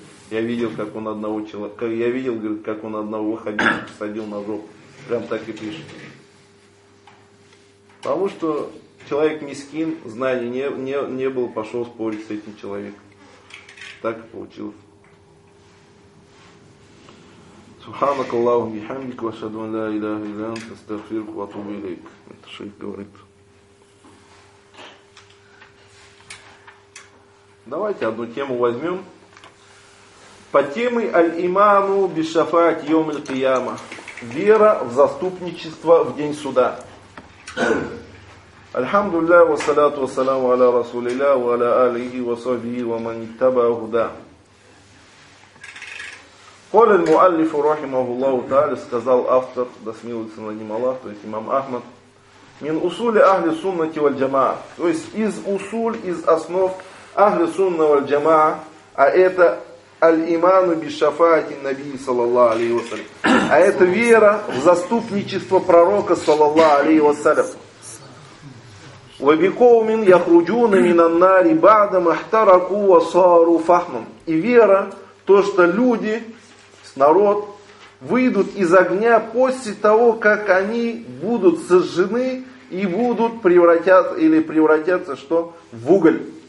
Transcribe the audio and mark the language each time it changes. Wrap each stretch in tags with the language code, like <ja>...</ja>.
<ru>Я видел, как он одного человека, я видел, говорит, как он одного ваххабиста посадил на жопу. Прям так и пишет. Потому что человек мискин, знаний не было, пошел спорить с этим человеком. Так и получилось.</ru> <ar>سبحانك اللهم وبحمدك واشهد ان لا اله الا انت استغفرك واتوب اليك انت شيخ</ar> <ru>говорит. Давайте одну тему возьмем. По теме</ru> <ar>аль-иману бишафаат йом аль-кияма.</ar> <ru>Вера в заступничество в день суда.</ru> <ar>Альхамдулиллях вассаляту вассаляму аля расулиллях ва аля алихи ва сахбихи ва ман иттаба худа. قال المؤلف رحمه الله تعالى</ar> <ru>сказал автор, да смилуется над ним Аллах, то есть имам Ахмад,</ru> <ar>мин усули ахли суннати валь джамаа,</ar> <ru>то есть из усуль, из основ ахли сунна валь джамаа, а это</ru> <ar>аль-иману бишафаати наби</ar> <ru>саллаллаху алейхи вассалям, а это вера в заступничество пророка саллаллаху алейхи вассалям.</ru> <ar>وبقومين يخرجون من النار بعد ما احترقوا وصاروا فحما.</ar> <ru>И вера, то что люди, народ, выйдут из огня после того, как они будут сожжены и будут превратятся что? В уголь.</ru>